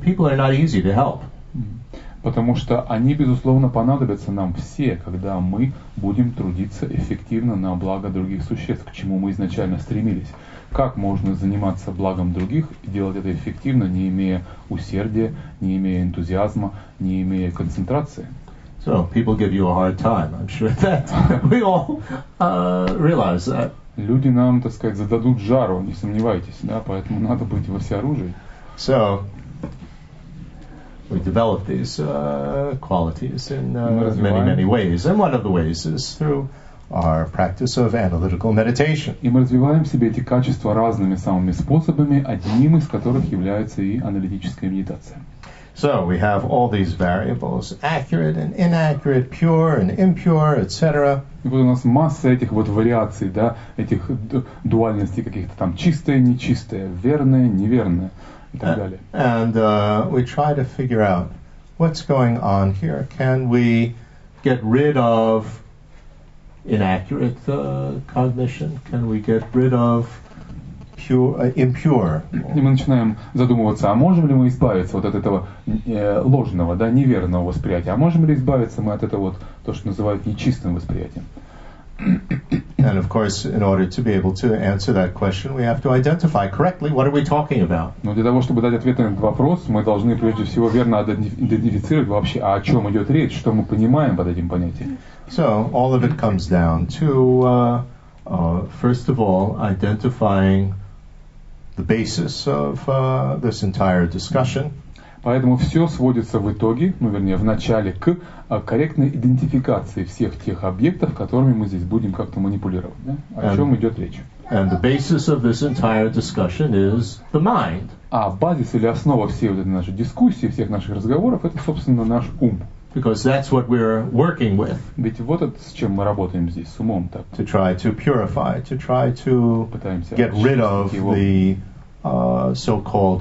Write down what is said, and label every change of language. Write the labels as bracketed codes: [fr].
[en] People are not easy to help. [ru] Потому что они, безусловно, понадобятся нам все, когда мы будем трудиться эффективно на благо других существ, к чему мы изначально стремились. Как можно заниматься благом других и делать это эффективно, не имея усердия, не имея энтузиазма, не имея концентрации? [en] So, people give you a hard time, I'm sure that we all realize that. [ru] Люди нам, так сказать, зададут жару, не сомневайтесь, да, поэтому надо быть во всеоружии. [en] So, we develop these qualities in many ways, and one of the ways is through our practice of analytical meditation. [ru] И мы развиваем в себе эти качества разными самыми способами, одним из которых является и аналитическая медитация. [en] So we have all these variables, accurate and inaccurate, pure and impure, etc. [ru] И вот у нас масса этих вот вариаций, да, этих дуальностей каких-то там, чистое, нечистое, верное, неверное, и так далее. [en] And we try to figure out what's going on here. Can we get rid of inaccurate cognition? Can we get rid of impure. [ru] И мы начинаем задумываться, а можем ли мы избавиться вот от этого ложного, да, неверного восприятия? А можем ли избавиться мы от этого вот, то, что называют нечистым восприятием? [en] And of course, in order to be able to answer that question, we have to identify correctly what are we talking about. [ru] Но для того, чтобы дать ответ на этот вопрос, мы должны прежде всего верно идентифицировать вообще, о чем идет речь, что мы понимаем под этим понятием. [en] So all of it comes down to first of all identifying the basis of this entire discussion. [ru] Поэтому все сводится в итоге, ну вернее, в начале к корректной идентификации всех тех объектов, которыми мы здесь будем как-то манипулировать. Да? О чем идет речь? [en] And the basis of this entire discussion is the mind. [ru] А базис или основа всей вот этой нашей дискуссии, всех наших разговоров, это, собственно, наш ум. [en] Because that's what we're working with. [ru] Ведь вот это, с чем мы работаем здесь, с умом. Так. [en] To try to purify, to try to [ru] пытаемся [en] get rid of [ru] его. [en] The... so-called